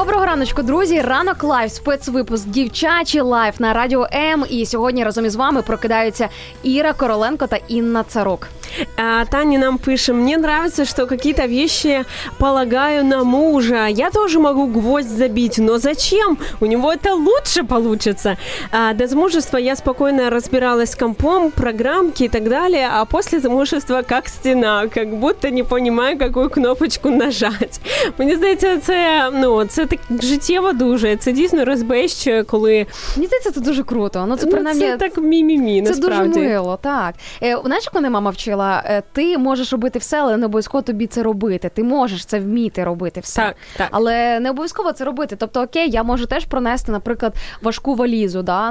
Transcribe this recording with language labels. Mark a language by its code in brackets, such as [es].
[uk] Раночку, друзі, ранок лайв, спецвипуск «Дівчачий лайв» на Радіо М. І сьогодні разом із вами прокидаються Іра Короленко та Інна Царук. [ru] Тані [uk] нам пише, [ru] мені нравится, что какие-то вещи полагаю на мужа. Я тоже могу гвоздь забить, но зачем? У него это лучше получится. До замужества я спокойно разбиралась с компом, программки и так далее, а после замужества как стена, как будто не понимаю, какую кнопочку нажать. Мне кажется, это так [uk] життєво дуже. Це дійсно розбещує, коли... Мені здається, це дуже круто. Ну, принаймні... Це так мі-мі-мі, насправді. Це дуже мило, так. Знаєш, як мене мама вчила? Ти можеш робити все, але не обов'язково тобі це робити. Ти можеш це вміти робити все. Так, так. Але не обов'язково це робити. Тобто, окей, я можу теж пронести, наприклад, важку валізу. Да?